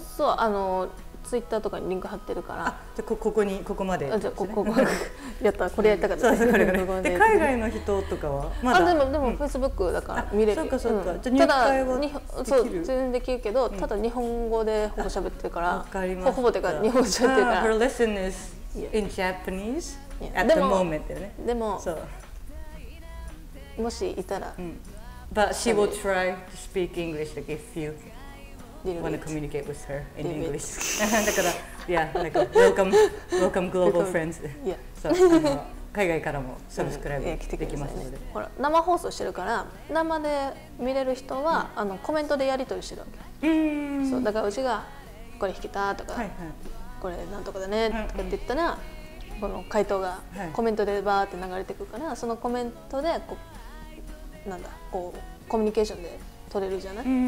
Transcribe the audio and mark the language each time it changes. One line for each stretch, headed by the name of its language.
Japanese: そう、あのツイッターとかにリンク貼ってるから。あ、じゃあ ここまで、ね、あ、じゃあここやった、これやったかった、ね、そうそう、ね、で海外の人とかはまだ。あ、でもフェイスブックだから見れる。そうかそうか、うん、じゃあ入会はできる。そう、全然できるけど、うん、ただ日本語でほぼ喋ってるから。わかりました。ほぼてか日本語喋ってるから。
English: Her lesson is in Japanese at the moment
Japanese: だよね。でも、
English: so.
Japanese: もしいたら、
English: うん、But she will try to speak English like if youWant to communicate with her in English.
Japanese: だから、
English: yeah, like welcome global friends. Yeah. So,
Japanese: 海外からもサブスクライブできますので。ほら、生放送してるから、生で見れる人は、うん、あのコメントでやり取りしてるわけ。そう、だからうちがこれ弾けたとか、はいはい、これなんとかだねとかって言ったら、うんうん、この回答がコメントでバーって流れてくるから、はい、そのコメントでこうなんだこうコミュニケーションで。取れるじゃない。